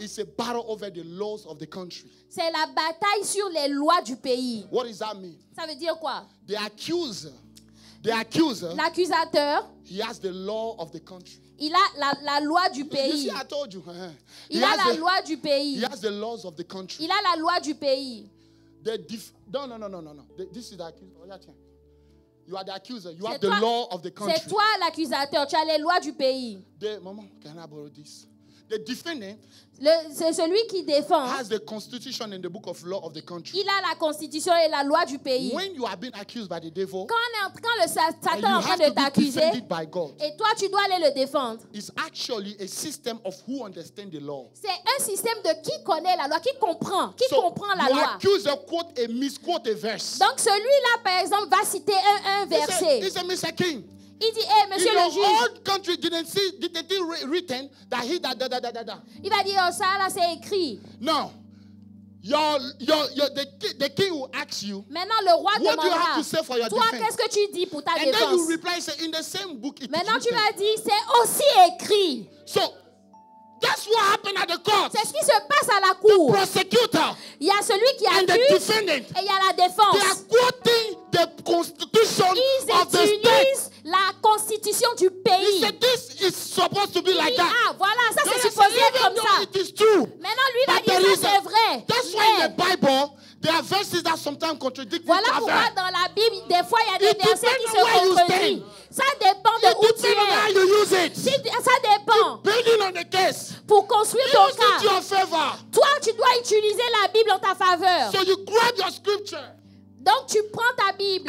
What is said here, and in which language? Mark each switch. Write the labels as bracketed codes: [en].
[en] It's a battle over the laws of the country. [fr] C'est la bataille sur les lois du pays. [en] What does that mean? [fr] Ça veut dire quoi? [en] The accuser. [fr] L'accusateur. [en] He has the law of the country. [fr] Il a la loi du pays. [en] You see, I told you. [fr] Il a la loi du pays. [en] He has the laws of the country. [fr] Il a la loi du pays. [en] No. This is the accuser. Oh, yeah, tiens. You are the accuser. You have the law of the country. [fr] C'est toi l'accusateur. Tu as les lois du pays. [en] Maman, can I borrow this? The defendant. [fr] C'est celui qui défend. [en] Has the constitution and the book of law of the country. [fr] Il a la constitution et la loi du pays. [en] When you are being accused by the devil. [fr] Quand le Satan est en train de t'accuser. Et toi, tu dois aller le défendre. [en] It's actually a system of who understands the law. [fr] C'est un système de qui connaît la loi, qui comprend, qui [en] so [fr] comprend la loi. [en] So the accuser quote and misquote a verse. [fr] Donc celui-là, par exemple, va citer un verset. [en] It's a Mr. King. [fr] Il dit, hey, monsieur le juge. [en] In your old country, didn't it written that he da. [fr] Il va dire, oh, ça là, c'est écrit. [en] Non. The king will ask you. [fr] Maintenant, le roi demandera. [en] What do you have to say for your [fr] toi, [en] defense? [fr] Toi, qu'est-ce que tu dis pour ta [en] and [fr] défense? [en] And then you reply, say, in the same book it [fr] maintenant, [en] is written. [fr] Maintenant, tu vas dire, c'est aussi écrit. [en] So, that's what happened at the court. [fr] C'est ce qui se passe à la cour. [en] The prosecutor. [fr] Il y a celui qui [en] and [fr] accuse. [en] And the defendant. [fr] Et il y a la défense. [en] They are quoting the constitution [fr] ils [en] of the state. [fr] La constitution du pays. [en] He said, this is supposed to be [fr] il [en] like [fr] dit, [en] that. [fr] Ah, voilà, ça c'est supposé être comme ça. [en] It is true. [fr] Maintenant, lui va dire ça, c'est vrai. [en] That's why in the Bible, there are verses that sometimes contradict [fr] voilà [en] each other. [fr] Voilà pourquoi dans la Bible, des fois, il y a [en] it [fr] des versets qui se contredisent. Ça dépend [en] it [fr] de où tu es. [en] How you use it. [fr] Ça dépend. [en] Depending on the case. [fr] Pour construire [en] it [fr] ton cas. [en] Your favor. [fr] Toi, tu dois utiliser la Bible en ta faveur. [en] So you grab your scripture. [fr] Donc, tu prends ta Bible.